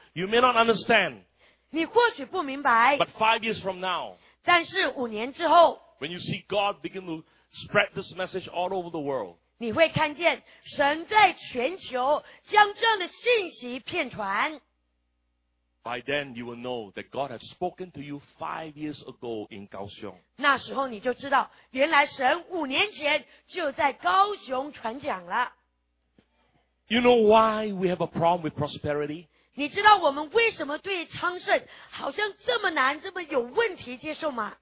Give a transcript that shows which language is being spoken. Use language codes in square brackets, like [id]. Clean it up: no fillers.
[en] You may not understand. [zh] 你或许不明白。 [en] But 5 years from now. [zh] 但是五年之后。 [en] When you see God begin to spread this message all over the world. [zh] 你会看见神在全球将这样的信息遍传。 [en] By then you will know that God has spoken to you 5 years ago in Kaohsiung. [zh] 那时候你就知道原来神五年前就在高雄传讲了。 [en] You know why we have a problem with prosperity? [zh] 你知道我们为什么对昌盛好像这么难这么有问题接受吗？